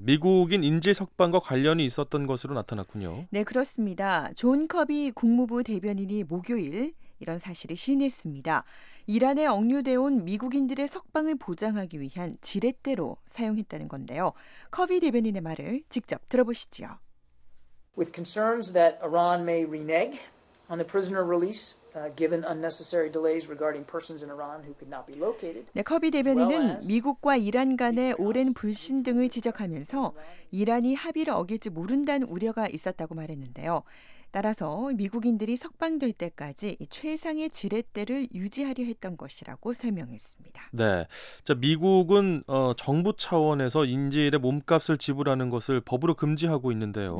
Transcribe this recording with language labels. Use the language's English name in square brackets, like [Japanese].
[Korean] 미국인 인질 석방과 관련이 있었던 것으로 나타났군요. 네, 그렇습니다. 존 커비 국무부 대변인이 목요일 이런 사실을 시인했습니다. 이란에 억류되어 온 미국인들의 석방을 보장하기 위한 지렛대로 사용했다는 건데요. 커비 대변인의 말을 직접 들어보시죠. [English] With concerns that Iran may renege on the prisoner release, given unnecessary delays regarding persons in Iran who could not be located. [Korean] 네, 커비 대변인은 미국과 이란 간의 오랜 불신 등을 지적하면서 이란이 합의를 어길지 모른다는 우려가 있었다고 말했는데요. 따라서 미국인들이 석방될 때까지 최상의 지렛대를 유지하려 했던 것이라고 설명했습니다. 네, 자, 미국은 정부 차원에서 인질의 몸값을 지불하는 것을 법으로 금지하고 있는데요.